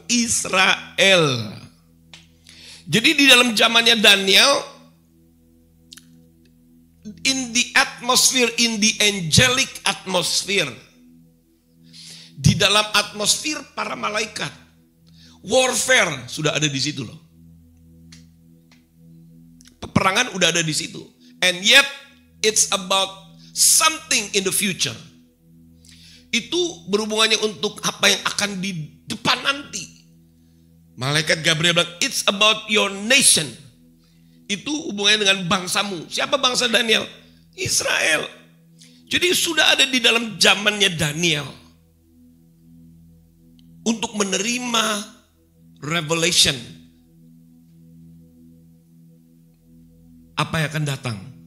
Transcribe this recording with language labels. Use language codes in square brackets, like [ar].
[id] Israel. Jadi di dalam zamannya Daniel, [en] in the atmosphere, in the angelic atmosphere, [id] di dalam atmosfer para malaikat, warfare sudah ada di situ loh. Perangan udah ada di situ. [en] And yet it's about something in the future. [id] Itu berhubungannya untuk apa yang akan di depan nanti. Malaikat Gabriel bilang, [en] it's about your nation. [id] Itu hubungannya dengan bangsamu. Siapa bangsa Daniel? Israel. Jadi sudah ada di dalam zamannya Daniel untuk menerima revelation apa yang akan datang.